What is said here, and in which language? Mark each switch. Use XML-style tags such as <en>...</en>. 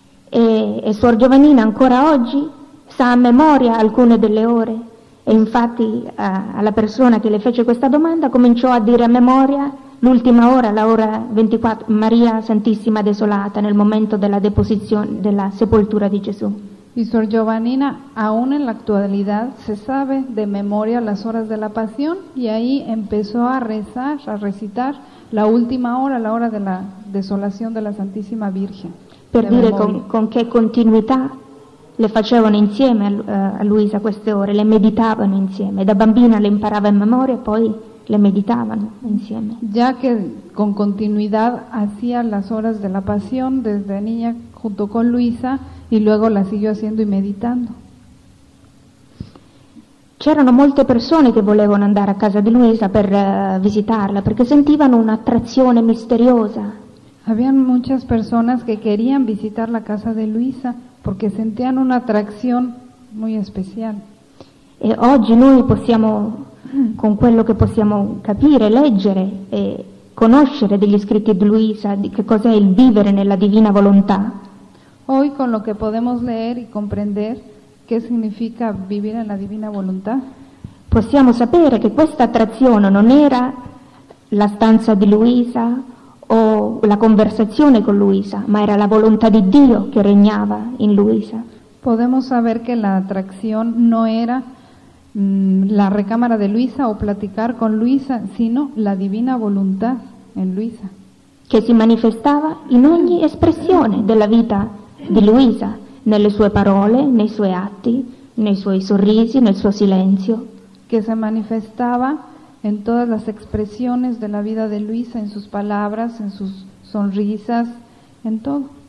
<it>E Suor Giovannina ancora oggi sa a memoria alcune delle ore, e infatti alla persona che le fece questa domanda cominciò a dire a memoria l'ultima ora, la ora 24, Maria Santissima Desolata, nel momento della deposizione, della sepoltura di Gesù.</it> <es>Y Suor Giovannina, aún en la actualidad, se sabe de memoria las horas de la pasión, y ahí empezó a rezar, a recitar la última hora, la hora de la desolación de la Santísima Virgen.</es> <it>Per dire con che continuità le facevano insieme a Luisa queste ore, le meditavano insieme. Da bambina le imparava in memoria e poi le meditavano insieme. Già che con continuità</it> <es>hacía las horas de la pasión desde niña junto con Luisa y luego la siguió haciendo y meditando.</es> <it>C'erano molte persone che volevano andare a casa di Luisa per visitarla perché sentivano un'attrazione misteriosa.</it> <es>Habían muchas personas que querían visitar la casa de Luisa porque sentían una atracción muy especial.</es> <it>E oggi noi possiamo, con quello che possiamo capire, leggere e conoscere degli scritti di Luisa, di che cos'è il vivere nella divina volontà.</it> <es>Hoy con lo que podemos leer y comprender qué significa vivir en la divina voluntad,</es> <it>possiamo sapere che questa attrazione non era la stanza di Luisa o la conversazione con Luisa, ma era la volontà di Dio che regnava in Luisa.</it> <es>Podemos saber que la atracción no era la recámara de Luisa o platicar con Luisa, sino la divina voluntà in Luisa.</es> <it>Che si manifestava in ogni espressione della vita di Luisa, nelle sue parole, nei suoi atti, nei suoi sorrisi, nel suo silenzio. Che si manifestava</it> <es>en todas las expresiones de la vida de Luisa, en sus palabras, en sus sonrisas, en todo.</es>